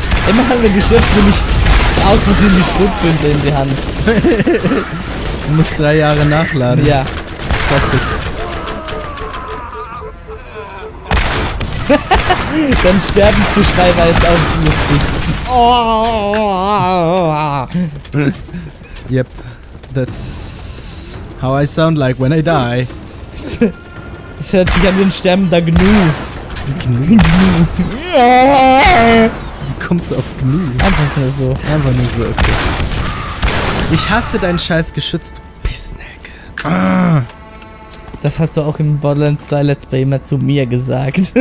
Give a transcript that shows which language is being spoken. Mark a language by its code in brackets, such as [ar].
[de] Immer haben wir gestürzt, wenn ich aus Versehen die Schrotflinte in die Hand. Du musst 3 Jahre nachladen. Ja. Klassik. Dein Sterbensgeschrei war jetzt auch lustig. [en] Yep. That's how I sound like when I die. [de] Das hört sich an den Sterben der Gnu. Gnu. Wie kommst du auf Gnu? Einfach nur so. Einfach nur so, okay. Ich hasse deinen scheiß Geschütz, du Pissnack. Das hast du auch im Borderlands 2 Let's Play immer zu mir gesagt.